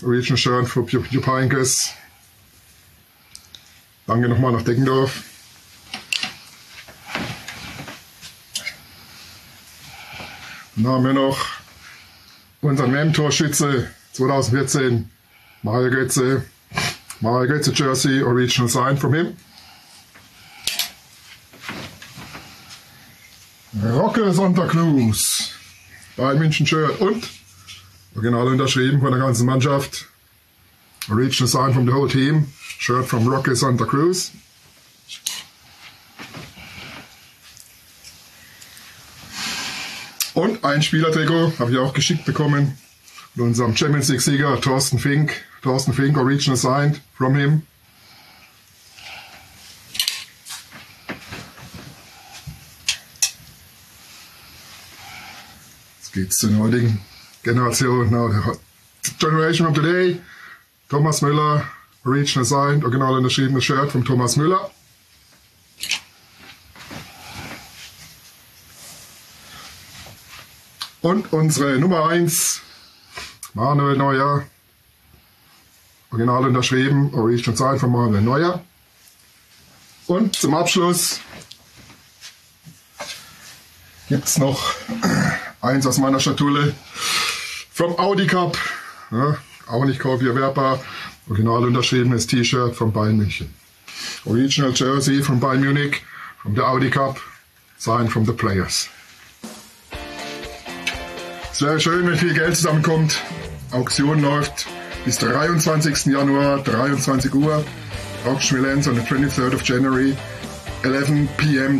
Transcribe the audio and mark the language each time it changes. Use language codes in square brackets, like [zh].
[de] Original Shirt von Jupp Heynckes. Danke nochmal nach Deckendorf. Dann haben wir noch unseren WM-Torschütze 2014, Mario Götze. [en] Mario Götze Jersey, original signed from him. [de] Rocke Santa Cruz, Bayern München Shirt und original unterschrieben von der ganzen Mannschaft. [en] Original sign from the whole team, Shirt from Rocke Santa Cruz. [de] Und ein Spielertrikot habe ich auch geschickt bekommen von unserem Champions League Sieger Thorsten Fink. [en] Thorsten Fink, original signed from him. [de] Geht's zu den heutigen Generationen. [en] Generation of today. [de] Thomas Müller, [en] original signed, [de] original unterschriebenes Shirt von Thomas Müller. Und unsere Nummer 1, Manuel Neuer, original unterschrieben, [en] original signed [de] von Manuel Neuer. Und zum Abschluss gibt's noch eins aus meiner Schatulle vom Audi Cup. Ja, auch nicht kaufbewerbbar. Original unterschriebenes T-Shirt von Bayern München. [en] Original Jersey [de] von [en] Bayern Munich, from the Audi Cup, signed from the players. [de] Es wäre schön, wenn viel Geld zusammenkommt. Auktion läuft. bis 23. Januar, 23 Uhr, [en] Auction ends on the 23rd of January, 11 p.m.